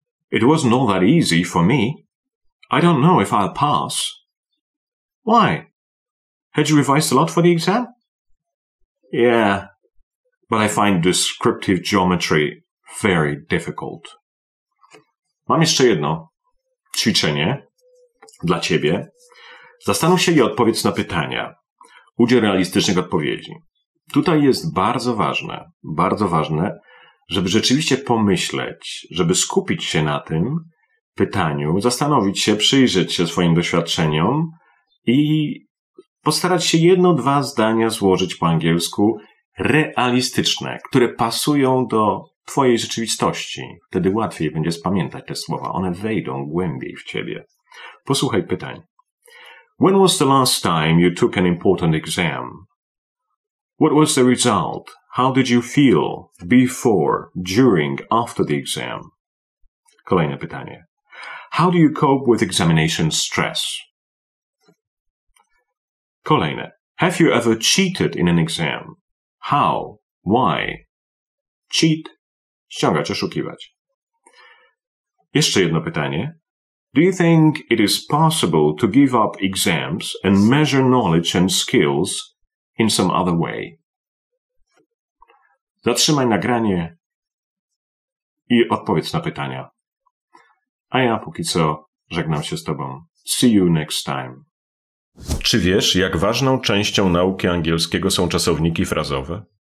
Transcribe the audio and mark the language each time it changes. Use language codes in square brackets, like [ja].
[en] It wasn't all that easy for me. I don't know if I'll pass. Why? Had you revised a lot for the exam? Yeah. But I find descriptive geometry very difficult. [pl] Mam jeszcze jedno ćwiczenie dla ciebie. Zastanów się i odpowiedz na pytania. Udziel realistycznych odpowiedzi. Tutaj jest bardzo ważne, żeby rzeczywiście pomyśleć, żeby skupić się na tym pytaniu, zastanowić się, przyjrzeć się swoim doświadczeniom i postarać się jedno, dwa zdania złożyć po angielsku realistyczne, które pasują do twojej rzeczywistości. Wtedy łatwiej będzie spamiętać te słowa. One wejdą głębiej w ciebie. Posłuchaj pytań. [en] When was the last time you took an important exam? What was the result? How did you feel before, during, after the exam? [pl] Kolejne pytanie. [en] How do you cope with examination stress? [pl] Kolejne. [en] Have you ever cheated in an exam? How? Why? [pl] Cheat. Ściągać, oszukiwać. Jeszcze jedno pytanie. [en] Do you think it is possible to give up exams and measure knowledge and skills in some other way? [pl] Zatrzymaj nagranie i odpowiedz na pytania. A ja póki co żegnam się z tobą. [en] See you next time. [pl] Czy wiesz, jak ważną częścią nauki angielskiego są czasowniki frazowe?